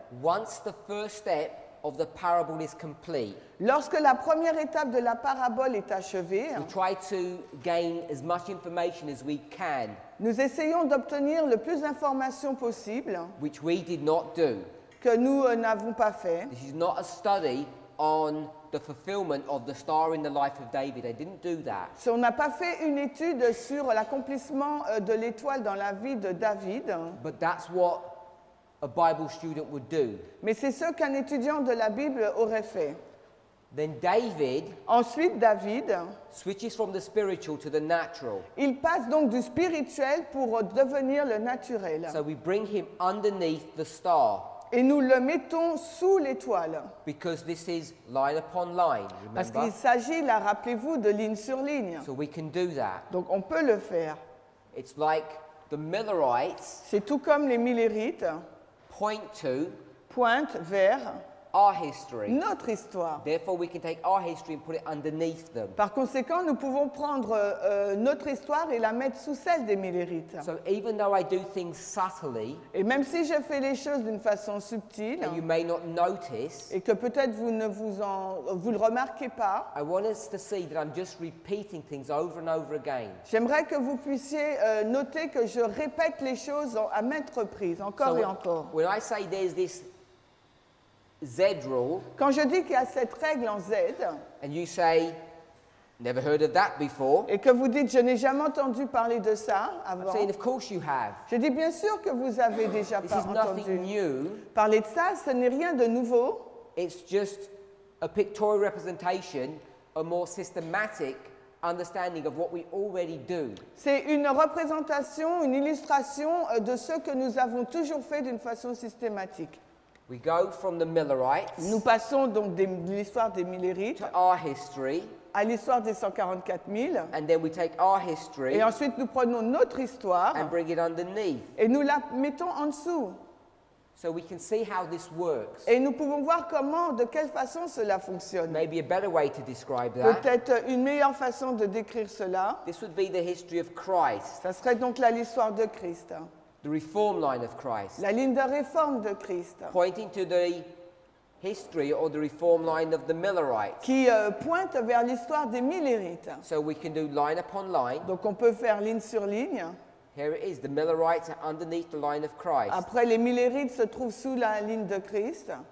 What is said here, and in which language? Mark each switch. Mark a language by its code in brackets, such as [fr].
[en] Once the first step of the parable is complete. [fr] Lorsque la première étape de la parabole est achevée, [en] we try to gain as much information as we can. [fr] Nous essayons d'obtenir le plus d'informations possible. [en] Which we did not do. [fr] Que nous n'avons pas fait. [en] This is not a study on the fulfillment of the star in the life of David. I didn't do that. [fr] So, on n'a pas fait une étude sur l'accomplissement de l'étoile dans la vie de David. [en] But that's what a Bible student would do. [fr] Mais c'est ce qu'un étudiant de la Bible aurait fait. [en] Then David, [fr] ensuite David, [en] switches from the spiritual to the natural. [fr] Il passe donc du spirituel pour devenir le naturel. [en] So we bring him underneath the star. [fr] Et nous le mettons sous l'étoile. [en] Because this is line upon line, remember? [fr] Parce qu'il s'agit, là, rappelez-vous, de ligne sur ligne. [en] So we can do that. [fr] Donc on peut le faire. [en] It's like the Millerites. [fr] C'est tout comme les Millerites. [en] Point to. [fr] Pointe vers. [en] Our history. [fr] Notre histoire. [en] Therefore, we can take our history and put it underneath them. [fr] Par conséquent, nous pouvons prendre notre histoire et la mettre sous celle des Millerites. [en] So even though I do things subtly, [fr] et même si je fais les choses d'une façon subtile, [en] and you may not notice, [fr] et que peut-être vous ne vous le remarquez pas, [en] I want us to see that I'm just repeating things over and over again. [fr] J'aimerais que vous puissiez noter que je répète les choses à maintes reprises, encore [en] so [fr] et encore. [en] When I say there's this Z rule. [fr] Quand je dis qu'il y a cette règle en Z, [en] and you say, never heard of that before. [fr] Et que vous dites, je n'ai jamais entendu parler de ça avant. [en] I'm saying, of course you have. [fr] Je dis bien sûr que vous avez déjà [en] this [fr] entendu. [en] This is nothing new. [fr] Parler de ça, ce n'est rien de nouveau. [en] It's just a pictorial representation, a more systematic understanding of what we already do. [fr] C'est une représentation, une illustration de ce que nous avons toujours fait d'une façon systématique. [en] We go from the Millerites. [fr] Nous passons donc de l'histoire des Millerites. [en] To our history. [fr] À l'histoire des 144 000. [en] And then we take our history. [fr] Et ensuite nous prenons notre histoire. [en] And bring it underneath. [fr] Et nous la mettons en dessous. [en] So we can see how this works. [fr] Et nous pouvons voir comment, de quelle façon cela fonctionne. [en] Maybe a better way to describe that. [fr] Peut-être une meilleure façon de décrire cela. [en] This would be the history of Christ. [fr] Ça serait donc là l'histoire de Christ. [en] The reform line of Christ. [fr] La ligne de réforme de Christ. [en] Pointing to the history or the reform line of the Millerites. [fr] Qui pointe vers l'histoire des Millerites. [en] So we can do line upon line. [fr] Donc on peut faire ligne sur ligne. [en] Here it is, the Millerites are underneath the line of Christ. [fr] Après, les Millerites se trouvent sous la ligne de Christ.